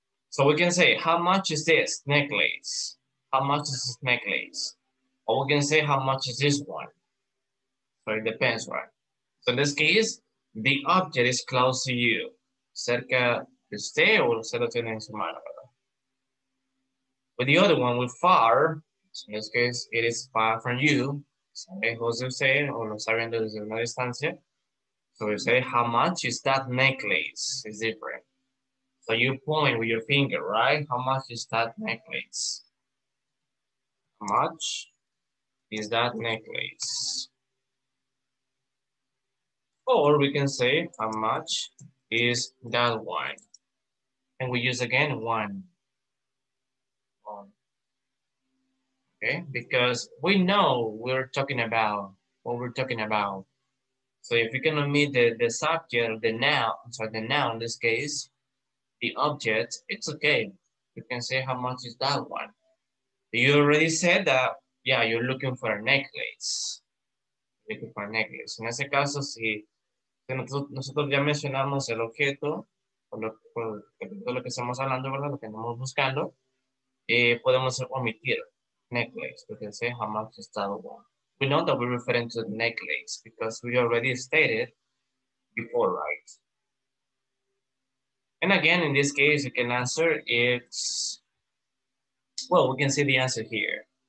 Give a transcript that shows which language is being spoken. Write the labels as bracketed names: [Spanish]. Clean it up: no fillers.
[English] So we can say, how much is this necklace? How much is this necklace? Or we can say, how much is this one? So it depends, right? So in this case, the object is close to you. [Spanish] Cerca de usted o cerca de en su mano. [English] With the other one, with far, so in this case, it is far from you. [Spanish] Lejos de usted, o lo saben desde una distancia. [English] So we say, how much is that necklace? It's different. So you point with your finger, right? How much is that necklace? How much is that necklace? Or we can say, how much is that one? And we use again one. Okay, because we know we're talking about what we're talking about. So if you can omit the subject, the noun, sorry, the noun in this case, the object, it's okay. You can say how much is that one. You already said that, yeah, you're looking for a necklace. Looking for a necklace. [Spanish] En ese caso, si nosotros ya mencionamos el objeto, o lo que estamos hablando, ¿verdad? Lo que estamos buscando, podemos omitir. [English] Necklace, we can say how much is that one. We know that we're referring to the necklace because we already stated before, right? And again, in this case, you can answer it's, well, we can see the answer here.